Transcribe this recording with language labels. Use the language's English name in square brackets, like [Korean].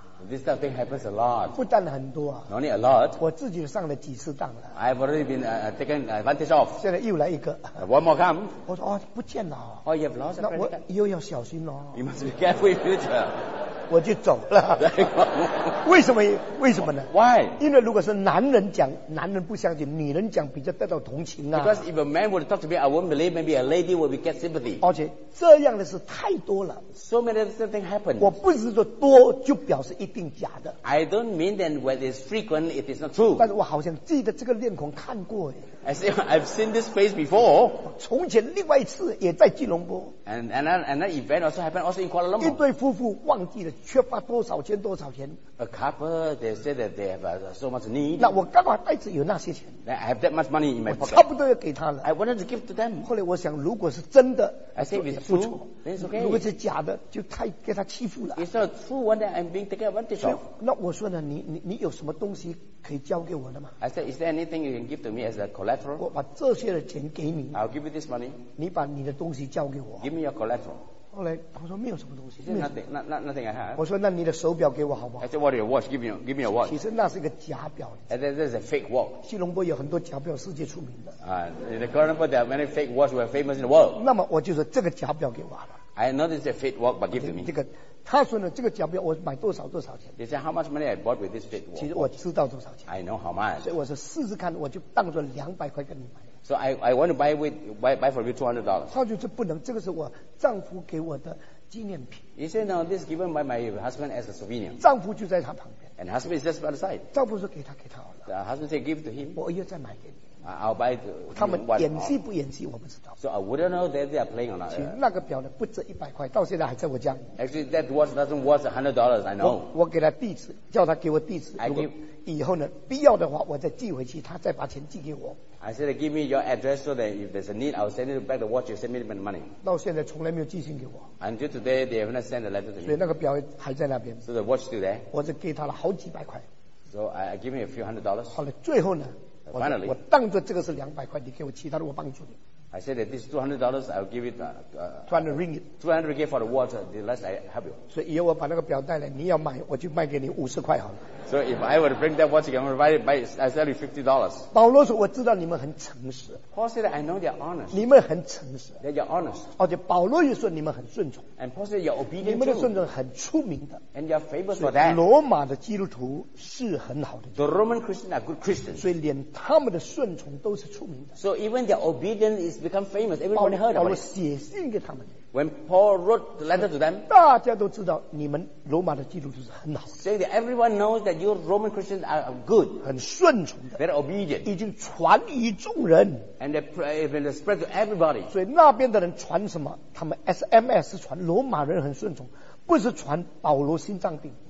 [English] This type of thing happens a lot. [Chinese] 不但很多。 [English] Not only a lot. [Chinese] 我自己上了几次当了。 [English] I've already been taken advantage of. [Chinese] 现在又来一个。 [English] One more come. [Chinese] 我说哦，不见了。 [English] Oh, you've lost the credit card. [Chinese] 那我又要小心了。 [English] You must be careful in future. [Chinese] 我就走了。为什么？为什么呢 [English] ？Why? [Chinese] 因为如果是男人讲，男人不相信，女人讲比较得到同情啊。 [English] Because if a man would talk to me, I won't believe. Maybe a lady would get sympathy. [Chinese] 而且这样的事太多了。 [English] So many different things happen. [Chinese] 我不是说多就表示一定假的。 [English] I don't mean that when it's frequent, it is not true. [Chinese] 但是我好像记得这个面孔看过哎。 [English] As if I've seen this face before. [Chinese] 从前另外一次也在吉隆坡。 [English] And that event also happened also in Kuala Lumpur. [Chinese] 一对夫妇忘记了。缺乏多少钱多少钱 [English] A couple, they say that they have so much need. [Chinese] 那我刚好袋子有那些钱 [English] I have that much money in my pocket. [Chinese] 差不多要给他了 [English] I wanted to give to them. [Chinese] 后来我想如果是真的 [English] I say if it's true, then it's okay. [Chinese] 如果是假的就太给他欺负了 [English] It's not a true one that I'm being taken advantage of. [Chinese] 那我说呢 你有什么东西可以交给我的吗 [English] I said, is there anything you can give to me as a collateral? [Chinese] 我把这些的钱给你 [English] I'll give you this money. [Chinese] 你把你的东西交给我 [English] Give me your collateral. [Chinese] 后来他说没有什么东西 [English] nothing I have [Chinese] 我说那你的手表给我好不好 [English] I said what are your watch give me your watch [Chinese] 其实那是一个假表 [English] And that is a fake watch [Chinese] 吉隆坡有很多假表世界出名的 [English] In the Kuala Lumpur there are many fake watch were famous in the world [Chinese] 那么我就说这个假表给我了 [English] I know this is a fake watch but give to me [Chinese] 这个他说呢这个假表我买多少多少钱 [English] He said how much money I bought with this fake watch [Chinese] 其实我知道多少钱 [English] I know how much [Chinese] 所以我说试试看我就当做200块跟你买 [English] So I want to buy for you $200. [Chinese] 他就说不能，这个是我丈夫给我的纪念品。 [English] He said, "No, this is given by my husband as a souvenir." [Chinese] 丈夫就在他旁边。 [English] And husband is just by the side. [Chinese] 丈夫说给他，给他好了。 [English] The husband said, "Give to him." [Chinese] 我又再买给你。 [English] I'll buy it. [Chinese] 他们演戏不演戏，我不知道。 [English] So I wouldn't know that they are playing or not. [Chinese] 其实那个表呢，不止100块，到现在还在我家。 [English] Actually, that watch doesn't worth $100. I know. [Chinese] 我给他地址，叫他给我地址。 [English] I give. [Chinese] 以后呢，必要的话，我再寄回去，他再把钱寄给我。 [English] I said, give me your address so that if there's a need, I'll send you back the watch. You send me the money. [Chinese] 到现在从来没有寄信给我。 [English] Until today, they haven't sent a letter to me. [Chinese] 所以那个表还在那边。 [English] So the watch still there. [Chinese] 我只给他了好几百块。 [English] So I give him a few $100. [Chinese] 好了，最后呢？ [English] Finally, [Chinese] 我当作这个是200块，你给我其他的，我帮助你。 [English] I said that this $200, I'll give it. $200 ringgit. $200 ringgit for the water. The less I help you. [Chinese] 所以以后我把那个表带来，你要买，我就卖给你50块好了。 [English] So if I were to bring that watch, I'm gonna buy it by. I sell you $50. [Chinese] 保罗说，我知道你们很诚实。 [English] Paul said, I know they're honest. [Chinese] 你们很诚实。 [English] That you're honest. [Chinese] 而且保罗也说你们很顺从。 [English] And Paul said, you're obedient. [Chinese] 你们的顺从很出名的。 [English] And you're famous for that. [Chinese] 罗马的基督徒是很好的。 [English] The Roman Christians are good Christians. [Chinese] 所以连他们的顺从都是出名的。 [English] So even their obedience is become famous. Everybody heard about it. [Chinese] 保罗写信给他们。 [English] When Paul wrote the letter to them, [Chinese] 大家都知道你们罗马的基督徒是很好的。 [English] Saying that everyone knows that your Roman Christians are good, [Chinese] 很顺从的 [English] ，very obedient, [Chinese] 已经传于众人 [English] ，and they spread to everybody. [Chinese] 所以那边的人传什么？他们 SMS 传罗马人很顺从，不是传保罗心脏病。